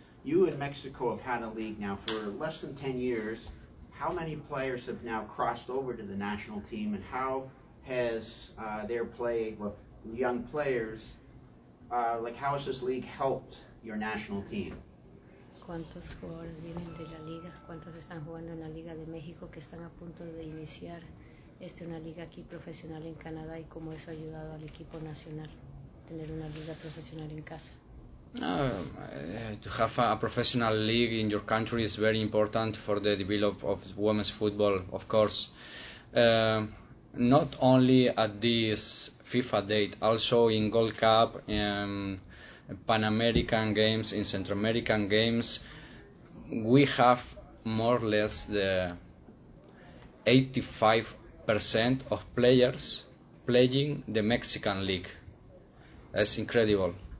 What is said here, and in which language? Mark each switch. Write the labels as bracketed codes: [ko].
[en] You and Mexico have had a league now for less than 10 years. How many players have now crossed over to the national team, and how has their play, well, young players, like how has this league helped your national team? [es] ¿Cuántos jugadores vienen de la liga? ¿Cuántos están jugando en la Liga de México que están a punto de iniciar una liga aquí profesional en Canadá, y cómo eso ha ayudado al equipo nacional tener una liga profesional en casa? [en] To have a professional league in your country is very important for the development of women's football, of course. Not only at this FIFA date, also in Gold Cup, Pan American Games, in Central American Games, we have more or less the 85% of players playing the Mexican league. That's incredible.